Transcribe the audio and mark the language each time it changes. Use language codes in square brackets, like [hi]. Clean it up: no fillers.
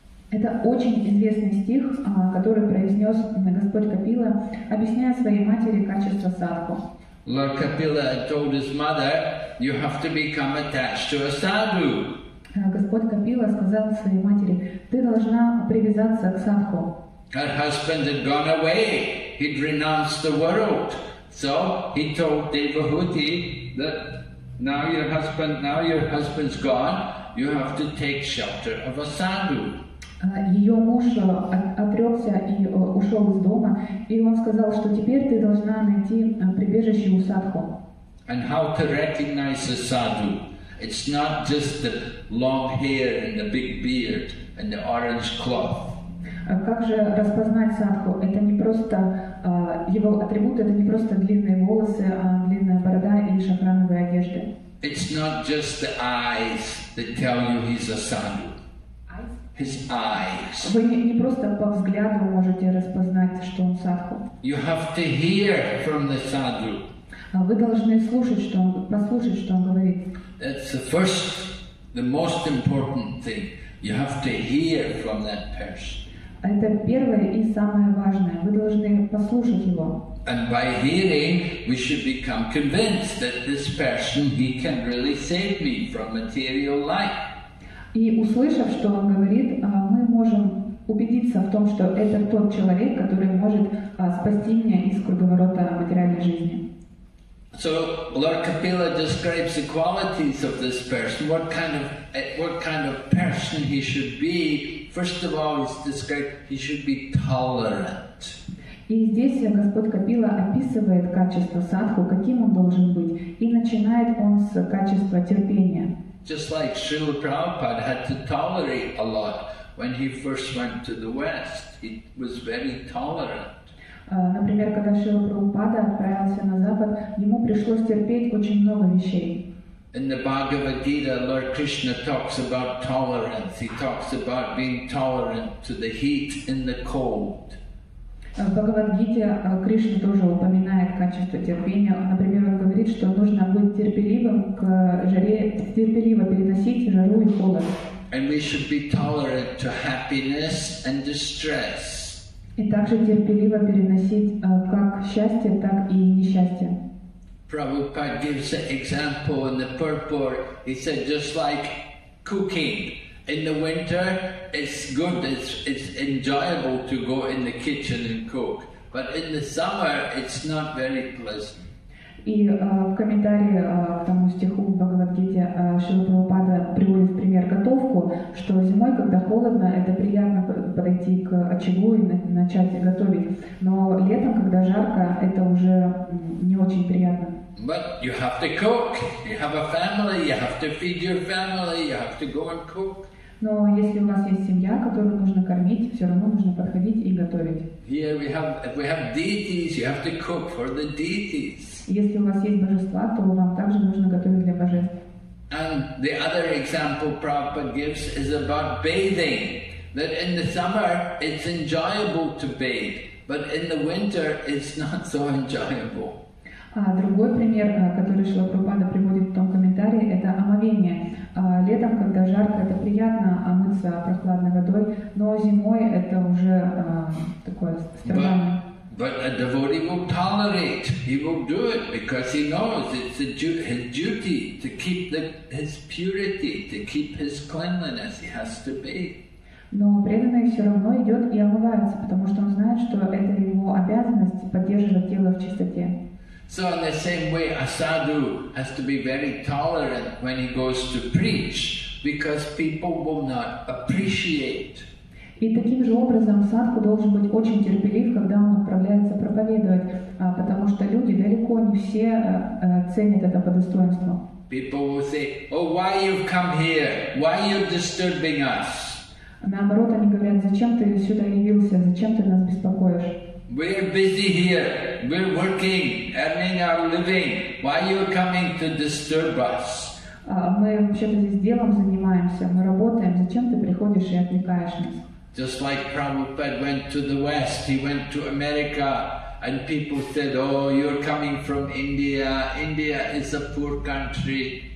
[ru] Это очень известный стих, который произнес Господь Капила, объясняя своей матери качество садху. [en] Lord Kapila told his mother, you have to become attached to a sadhu. [ru] Господь Капила сказал своей матери, ты должна привязаться к садху. [en] Her husband had gone away. He'd renounced the world. So he told Devahuti that Now your husband's gone. You have to take shelter of a sadhu. [ru] Ее муж отрекся и ушел из дома, и он сказал, что теперь ты должна найти прибежище у садху. [en] And how to recognize a sadhu? It's not just the long hair and the big beard and the orange cloth. [ru] Как же распознать садху? Это не просто его атрибуты, это не просто длинные волосы, а длинная борода и шафрановые одежды. [en] It's not just the eyes that tell you he's a sadhu. His eyes. [ru] Вы не просто по взгляду можете распознать, что он садху. [en] You have to hear from the sadhu. [ru] Вы должны слушать, что он, послушать, что он говорит. [en] That's the first, the most important thing. You have to hear from that person. [ru] Это первое и самое важное. Вы должны послушать его. [en] And by hearing, we should become convinced that this person, he can really save me from material life. [ru] И услышав, что он говорит, мы можем убедиться в том, что это тот человек, который может спасти меня из круговорота материальной жизни. [en] So Lord Kapila describes the qualities of this person, what kind of person he should be. First of all, he's described he should be tolerant. [ru] И здесь Господь Капила описывает качество садху, каким он должен быть, и начинает он с качества терпения. [en] Just like Srila Prabhupada had to tolerate a lot when he first went to the West, he was very tolerant. [ru] Например, когда Шрила Прабхупада отправился на Запад, ему пришлось терпеть очень много вещей. [en] In the Bhagavad Gita, Lord Krishna talks about tolerance. He talks about being tolerant to the heat and the cold. [ru] В Бхагавад-гите Кришна тоже упоминает качество терпения. Например, он говорит, что нужно быть терпеливым к жаре, терпеливо переносить жару и холод. [en] And we should be tolerant to happiness and distress. [ru] И также терпеливо переносить как счастье, так и несчастье. [en] Prabhupada gives an example in the purport. He said, just like cooking. In the winter, it's good, it's enjoyable to go in the kitchen and cook. But in the summer, it's not very pleasant. [ru] И в комментарии к тому стиху в Бхагавад-гите Шрила Прабхупада приводит в пример готовку, что зимой, когда холодно, это приятно подойти к очагу и начать готовить. Но летом, когда жарко, это уже не очень приятно. [en] But you have to cook. You have a family, you have to feed your family, you have to go and cook. [ru] Но если у нас есть семья, которую нужно кормить, все равно нужно подходить и готовить. [en] Here we have deities, you have to cook for the deities. [ru] Если у вас есть божества, то вам также нужно готовить для божеств. [en] And the other example Prabhupada gives is about bathing. That in the summer it's enjoyable to bathe, but in the winter it's not so enjoyable. [ru] А другой пример, который Шрила Прабхупада приводит в том комментарии, это омовение. Летом, когда жарко, это приятно омыться прохладной водой, но зимой это уже такое страдание. [en] But a devotee will tolerate. He will do it because he knows it's his duty to keep his purity, to keep his cleanliness. He has to be. [ru] Но преданный все равно идет и омывается, потому что он знает, что это его обязанность поддерживать тело в чистоте. [en] So in the same way, a sadhu has to be very tolerant when he goes to preach, because people will not appreciate. [ru] И таким же образом садху должен быть очень терпелив, когда он отправляется проповедовать, потому что люди далеко не все ценят это по достоинству. [en] People will say, oh, why you've come here? Why you're disturbing us? [ru] Наоборот, они говорят, зачем ты сюда явился? Зачем ты нас беспокоишь? [en] We're busy here. We're working, earning our living. Why you're coming to disturb us? [ru] Мы вообще-то здесь делом занимаемся, мы работаем. Зачем ты приходишь и отвлекаешь нас? [en] Just like Prabhupada went to the West, he went to America, and people said, oh, you're coming from India, India is a poor country.